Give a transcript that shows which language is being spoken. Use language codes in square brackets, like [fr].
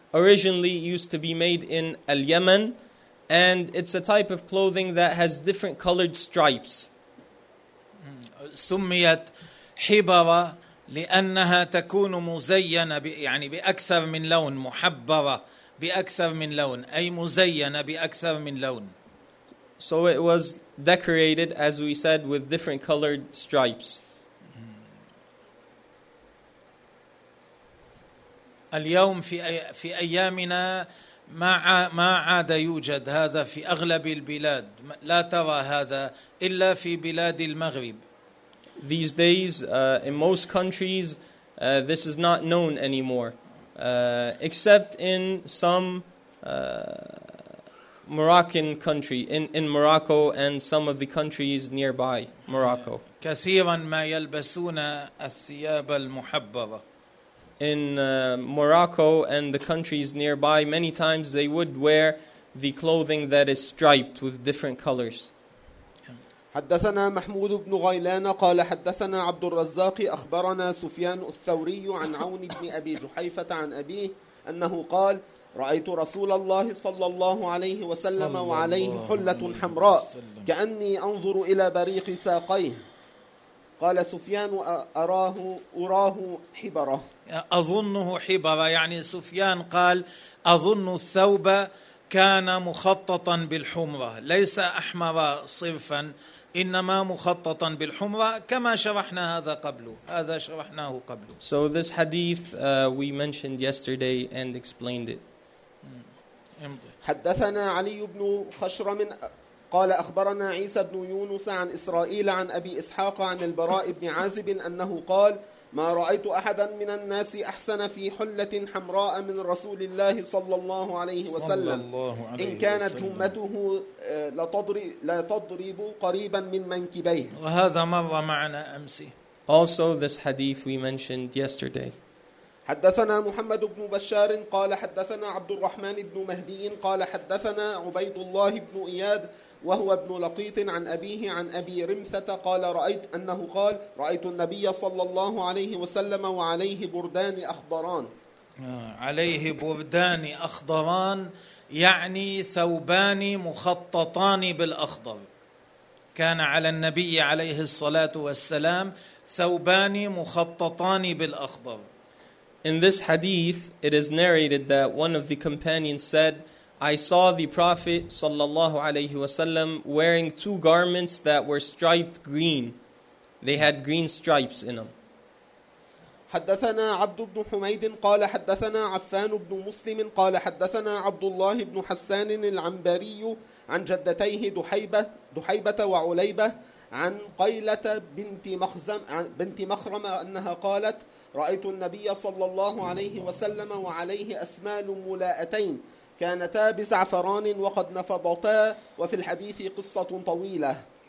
[en] originally used to be made in Al-Yaman, and it's a type of clothing that has different colored stripes. [ar] سميت حبرة لأنها تكون مزينة يعني بأكثر من لون محبرة بأكثر من لون أي مزينة بأكثر من لون. [en] So it was decorated, as we said, with different colored stripes. [ar] اليوم في أيامنا ما عاد يوجد هذا في أغلب البلاد لا ترى هذا إلا في بلاد المغرب. [en] These days, in most countries, this is not known anymore, except in some Moroccan country, in Morocco and some of the countries nearby Morocco. [ar] كثيراً ما يلبسون الثياب المحببة. [en] In Morocco and the countries nearby, many times they would wear the clothing that is striped with different colors. [ar] حدثنا محمود بن غيلان قال حدثنا عبد الرزاق أخبرنا سفيان الثوري عن عون بن أبي جحيفة عن أبيه أنه قال رأيت رسول الله صلى الله عليه وسلم وعليه حلة حمراء كأني أنظر إلى بريق ساقيه قال سفيان أراه حبرة أظنه حبرة يعني سفيان قال أظن الثوب كان مخططا بالحمرة ليس أحمر صرفا إنما مخططا بالحمرة كما شرحنا هذا قبله هذا شرحناه قبله. [en] So this hadith we mentioned yesterday and explained it. [ar] حدثنا علي بن خشرم قال أخبرنا عيسى بن يونس عن إسرائيل عن أبي إسحاق عن البراء بن عازب أنه قال ما رأيت أحدا من الناس أحسن في حلة حمراء من رسول الله صلى الله عليه وسلم إن كانت جمته لتضرب قريبا من منكبيه وهذا مر معنا أمس. [en] Also this hadith we mentioned yesterday. [ar] حدثنا محمد بن بشار قال حدثنا عبد الرحمن بن مهدي قال حدثنا عبيد الله بن إياد وهو ابن لقيط عن أبيه عن أبي رمثة قال رأيت أنه قال رأيت النبي صلى الله عليه وسلم وعليه بردان أخضران عليه بردان أخضران يعني ثوبان مخططان بالأخضر كان على النبي عليه الصلاة والسلام ثوبان مخططان بالأخضر. [en] In this hadith, it is narrated that one of the companions said, I saw the Prophet sallallahu alayhi wasallam wearing two garments that were striped green. They had green stripes in them. [ar] حدثنا عبد بن حميد قال حدثنا عفان بن مسلم قال حدثنا عبد الله بن حسان العنبري عن جدتيه دحيبة وعليبة عن قيلة بنت مخرم أنها قالت رأيت النبي صلى الله عليه وسلم وعليه أسمال ملاءتين كانتا بزعفران وقد نفضتا وفي الحديث قصة طويلة.